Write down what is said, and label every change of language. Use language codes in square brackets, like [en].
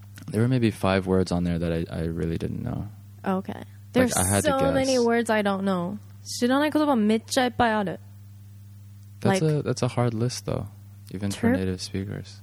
[en] there were maybe 5 words on there that I really didn't know. Okay. There's like, so many words I don't know. [ja] 知らない言葉めっちゃいっぱいある。 [en] That's a hard list though, even for native speakers.